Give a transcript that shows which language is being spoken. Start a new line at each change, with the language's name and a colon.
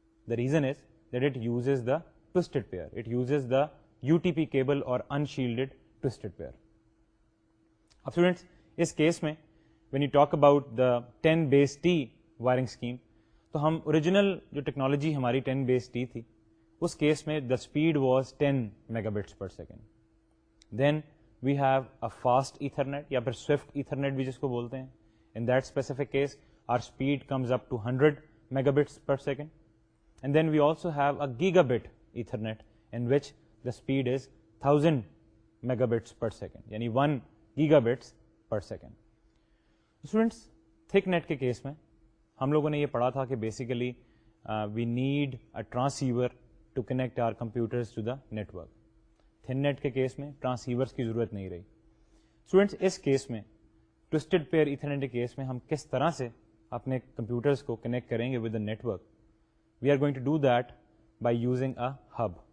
English: The reason is that it uses the twisted pair. It uses the U T P cable or unshielded twisted pair.
Urdu: اب students اس case میں
English: when you talk about the 10 base T wiring scheme
Urdu: تو ہم original جو technology ہماری 10 base T تھی اس case میں
English: The speed was 10 megabits per second. Then we have a fast Ethernet
Urdu: یا پھر سوئفٹ ایتھرنیٹ بھی جس کو بولتے ہیں.
English: In that specific case our speed comes up to 100 megabits per second. And then we also have a gigabit Ethernet in which the speed is 1000 megabits per second یعنی 1 gigabits per second. Students
Urdu: thick net کے case میں ہم لوگوں نے یہ پڑھا تھا کہ basically
English: We need a transceiver to connect our computers to the network.
Urdu: Thin net کے کیس میں ٹرانسیورز کی ضرورت نہیں رہی. اسٹوڈینٹس, اس کیس میں, ٹوسٹڈ پیئر ایتھرنیٹ کیس میں, ہم کس طرح سے اپنے کمپیوٹرز کو کنیکٹ کریں گے
English: With the network? We are going to do that by using a hub.